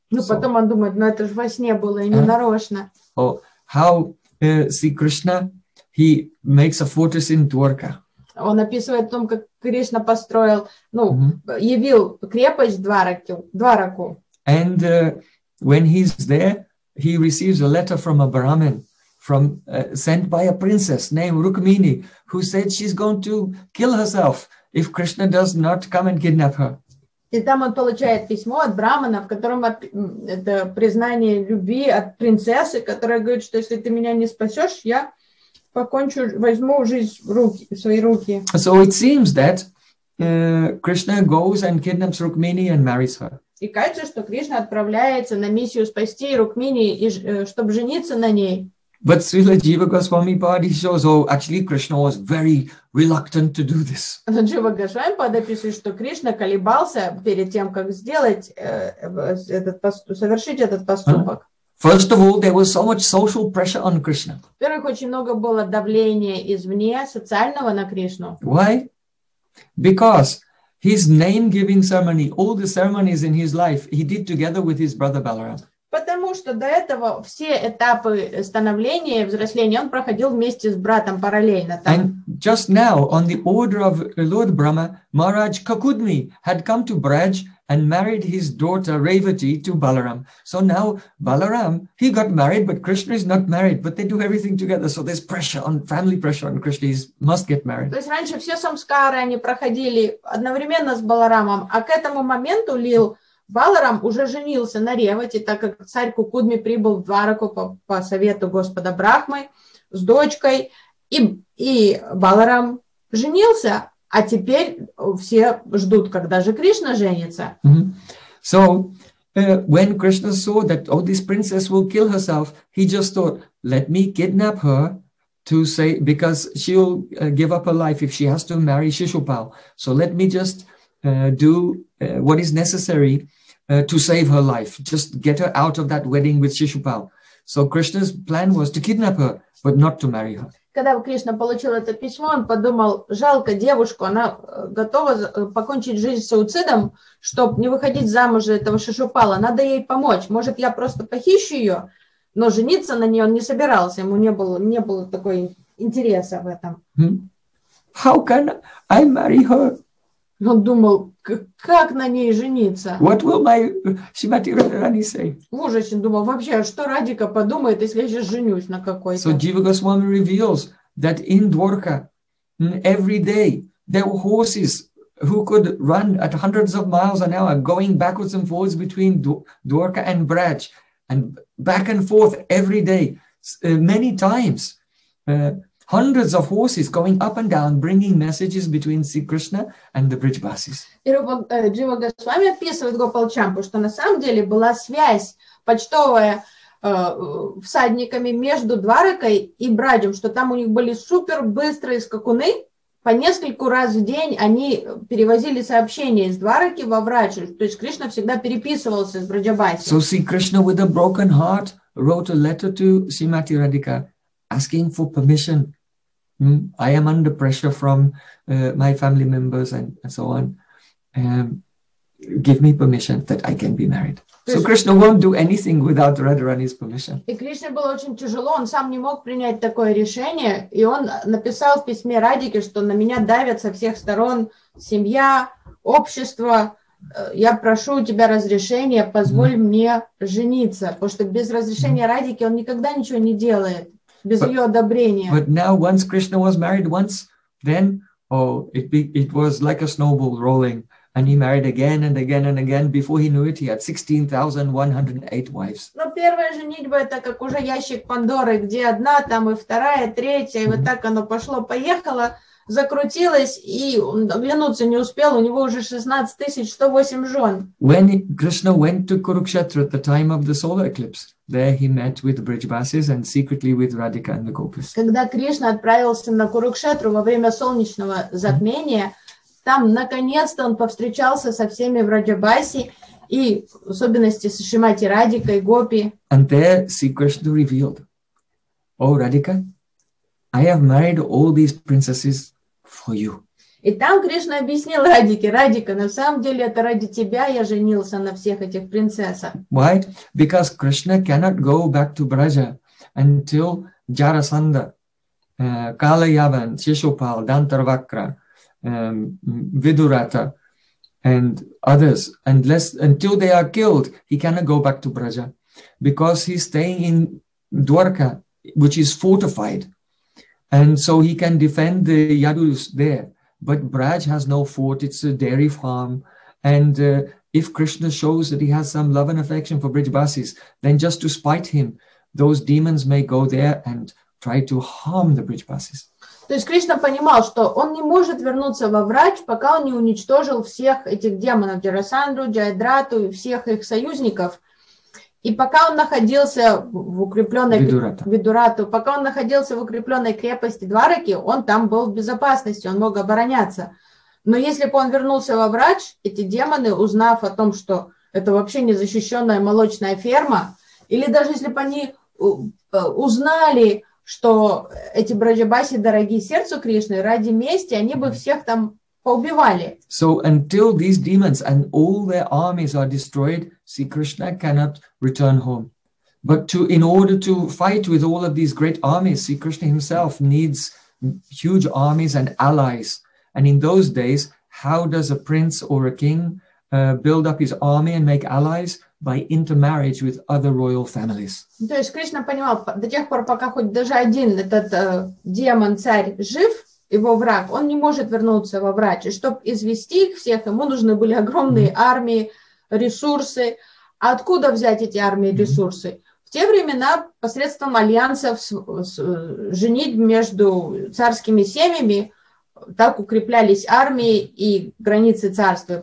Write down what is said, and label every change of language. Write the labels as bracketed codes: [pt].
[ru] Ну, so, потом он думает, ну, это же во сне было, и не нарочно. [en] Oh, how Sri Krishna, he makes a fortress in Dwarka. [ru] Он описывает о том, как Кришна построил, ну, явил крепость Двараку. [en] And when he's there, he receives a letter from a Brahmin, sent by a princess named Rukmini, who said she's going to kill herself if Krishna does not come and kidnap her. [ru] И там он получает письмо от брахмана, в котором это признание любви от принцессы, которая говорит, что если ты меня не спасешь, я покончу, возьму жизнь в свои руки. [en] So it seems that Krishna goes and kidnaps Rukmini and marries her. [ru] И кажется, что Кришна отправляется на миссию спасти Рукмини, чтобы жениться на ней. [en] But Srila Jiva Goswami Pad, he shows, oh, actually Krishna was very reluctant to do this. [ru] Jiva Goswami Pad описывает, что Кришна колебался перед тем, как совершить этот поступок. [en] First of all, there was so much social pressure on Krishna. [ru] Во-первых, очень много было давления извне, социального, на Кришну. [en] Why? Because his name-giving ceremony, all the ceremonies in his life, he did together with his brother Balaram. [ru] Потому что до этого все этапы становления и взросления он проходил вместе с братом параллельно. Там. [en] And just now, on the order of Lord Brahma, Maharaj Kakudmi had come to Braj and married his daughter Revati to Balaram. So now Balaram, he got married, but Krishna is not married. But they do everything together, so there's pressure on family pressure on Krishna. He must get married. [ru] То есть раньше все самскары они проходили одновременно с Баларамом, а к этому моменту Лил Баларам уже женился на Ревати, так как царь Кукудми прибыл в Двараку по совету господа Брахмы с дочкой, и Баларам женился, а теперь все ждут, когда же Кришна женится. [en] So, when Krishna saw that all this princess will kill herself, he just thought, let me kidnap her. To say, because she'll give up her life if she has to marry Shishupal. So let me just do what is necessary to save her life. Just get her out of that wedding with Shishupal. So Krishna's plan was to kidnap her, but not to marry her. [ru] Когда Кришна получил это письмо, он подумал, жалко девушку, она готова покончить жизнь суицидом, чтобы не выходить замуж за этого Шишупала, надо ей помочь. Может, я просто похищу ее, но жениться на ней он не собирался, ему не было такой интереса в этом. [en] How can I marry her? [ru] Он думал, как на ней жениться? [en] What will my Shrimati Radharani say? [ru] В ужасе думал, вообще, что Радика подумает, если я сейчас женюсь на какой-то? [en] So Jiva Goswami reveals that in Dwarka, every day, there were horses who could run at hundreds of miles an hour, going backwards and forwards between Dwarka and Braj, and back and forth every day, many times. Hundreds of horses going up and down, bringing messages between Sri Krishna and the Brijvasis. [ru] И Джива Госвами описывает Гопалчампу, что на самом деле была связь почтовая всадниками между Дваракой и Браджем, что там у них были супер быстрые скакуны, по нескольку раз в день они перевозили сообщения из Двараки во Врач, то есть Кришна всегда переписывался с Брджабаси. [en] So Sri Krishna with a broken heart wrote a letter to Srimati Radhika, asking for permission. I am under pressure from my family members and so on. Give me permission that I can be married. So Krishna won't do anything without Radharani's permission. [ru] И Кришне было очень тяжело, он сам не мог принять такое решение, и он написал в письме Радике, что на меня давят со всех сторон семья, общество. Я прошу у тебя разрешения, позволь мне жениться, потому что без разрешения Радики он никогда ничего не делает. [en] But now, once Krishna was married once, then it was like a snowball rolling, and he married again and again and again. Before he knew it, he had 16,108 wives. [ru] Но первая женитьба это как уже ящик Пандоры, где одна там и вторая, третья, и вот так оно пошло, поехало, закрутилось, и оглянуться не успел. У него уже 16,108 жен. [en] When Krishna went to Kurukshetra at the time of the solar eclipse. There he met with the Brijvasis and secretly with Radhika and the Gopis. [ru] Когда Кришна отправился на Курукшетру во время солнечного затмения, там наконец-то он повстречался со всеми в Раджабаси и в особенности с Шримати Радикой, Гопи. [en] And there Sri Krishna revealed, "О, Радика, I have married all these princesses for you." [ru] И там Кришна объяснил Радике, Радика, на самом деле это ради тебя я женился на всех этих принцессах. [en] Why? Because Krishna cannot go back to Braja until Jarasandha, Kalayavan, Shishupal, Dantarvakra, Vidurata, and others, until they are killed, he cannot go back to Braja. Because he's staying in Dwarka, which is fortified. And so he can defend the Yadus there. But Braj has no fort, it's a dairy farm. And if Krishna shows that he has some love and affection for Brijvasis, then just to spite him, those demons may go there and try to harm the Brijvasis. [ru] То есть Кришна понимал, что он не может вернуться во Врач, пока он не уничтожил всех этих демонов, Джарасандру, Джайдрату и всех их союзников. И пока он находился в укрепленной Видурату, пока он находился в укрепленной крепости Двараки, он там был в безопасности, он мог обороняться. Но если бы он вернулся во Врач, эти демоны, узнав о том, что это вообще незащищенная молочная ферма, или даже если бы они узнали, что эти Браджабаси дорогие сердцу Кришны, ради мести, они бы всех там поубивали. [en] So until these demons and all their armies are destroyed, Sri Krishna cannot return home. But in order to fight with all of these great armies, Sri Krishna himself needs huge armies and allies. And in those days, how does a prince or a king build up his army and make allies? By intermarriage with other royal families. [ru] То есть Кришна понимал, до тех пор, пока хоть даже один этот демон, царь жив, его враг, он не может вернуться во Врач. И чтобы извести их всех, ему нужны были огромные армии, ресурсы. А откуда взять эти армии и ресурсы? В те времена посредством альянсов женитьбы между царскими семьями так укреплялись армии и границы царства.